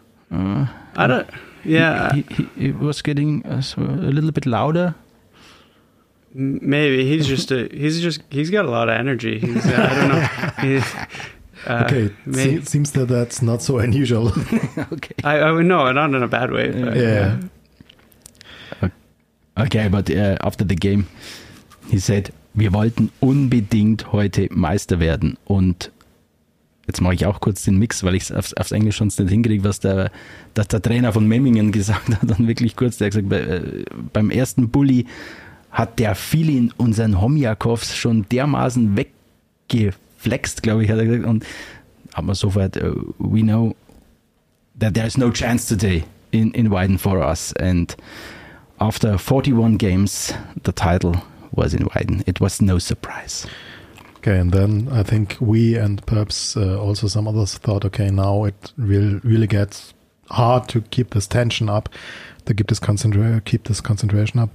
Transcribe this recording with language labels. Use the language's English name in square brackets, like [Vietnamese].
[English] I don't. Yeah, he was getting a little bit louder. Maybe he's got a lot of energy. I don't know. Okay, it seems that that's not so unusual. Okay, I no, not in a bad way. But, yeah. Okay, but after the game, he said, wir wollten unbedingt heute Meister werden. [German] Und jetzt mache ich auch kurz den Mix, weil ich es aufs Englisch sonst nicht hinkriege, was der Trainer von Memmingen gesagt hat. Dann wirklich kurz, der hat gesagt, beim ersten Bully hat der Filin unseren Homiakovs schon dermaßen weggeflext, glaube ich, hat er gesagt. Und aber sofort, we know that there is no chance today in Weiden for us. [English] And after 41 games, the title was in Weiden. It was no surprise. Okay, and then I think we and perhaps also some others thought, okay, now it will really get hard to keep this tension up, to keep this concentration up.